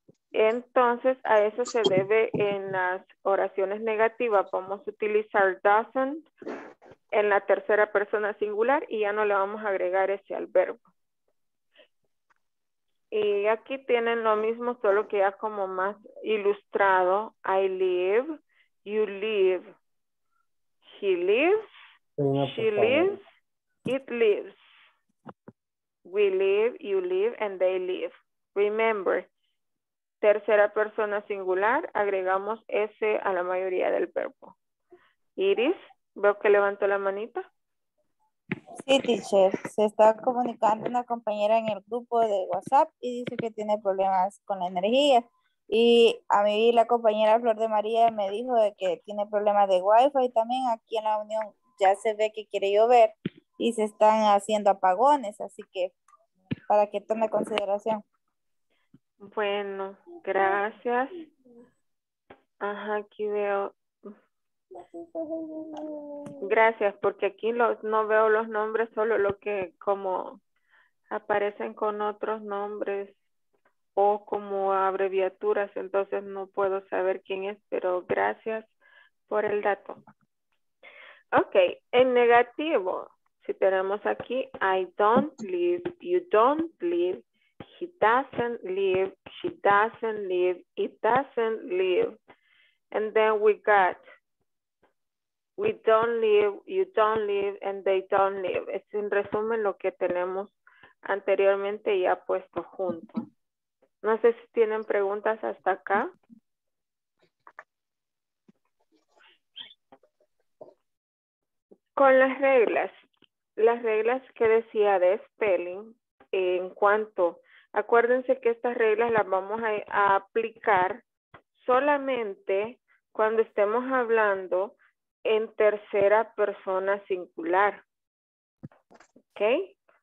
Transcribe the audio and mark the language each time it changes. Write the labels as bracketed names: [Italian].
[Spanish] Entonces, a eso se debe en las oraciones negativas. Vamos a utilizar doesn't, en la tercera persona singular y ya no le vamos a agregar ese al verbo. Y aquí tienen lo mismo, solo que ya como más ilustrado. [English] I live, you live, he lives, she lives, it lives. We live, you live, and they live. Remember, [Spanish] tercera persona singular, agregamos S a la mayoría del verbo. Iris, ¿veo que levantó la manita? Sí, teacher. Se está comunicando una compañera en el grupo de WhatsApp y dice que tiene problemas con la energía. Y a mí la compañera Flor de María me dijo de que tiene problemas de Wi-Fi. También aquí en la Unión ya se ve que quiere llover y se están haciendo apagones. Así que para que tome consideración. Bueno, gracias. Ajá, aquí veo. Gracias, porque aquí no veo los nombres, solo lo que como aparecen con otros nombres o como abreviaturas, entonces no puedo saber quién es, pero gracias por el dato. [English] Ok, [Spanish] en negativo, si tenemos aquí, [English] I don't live, you don't live, he doesn't live, she doesn't live, it doesn't live, and then we got we don't live, you don't live, and they don't live. [Spanish] Es en resumen lo que tenemos anteriormente ya puesto junto. No sé si tienen preguntas hasta acá. Con las reglas que decía de spelling, en cuanto, acuérdense que estas reglas las vamos a aplicar solamente cuando estemos hablando en tercera persona singular. ¿Ok?